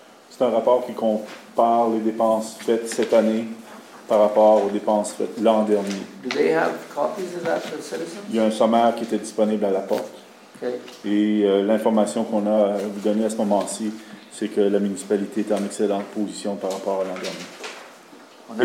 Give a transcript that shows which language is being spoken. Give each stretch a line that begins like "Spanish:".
French: C'est un rapport qui compare les dépenses faites cette année par rapport aux dépenses faites l'an dernier.
English: Do they have copies of that for citizens?
French: Il y a un sommaire qui était disponible à la porte.
English: Okay.
French: Et l'information qu'on a à vous donner à ce moment-ci, c'est que la municipalité est en excellente position par rapport à l'an dernier.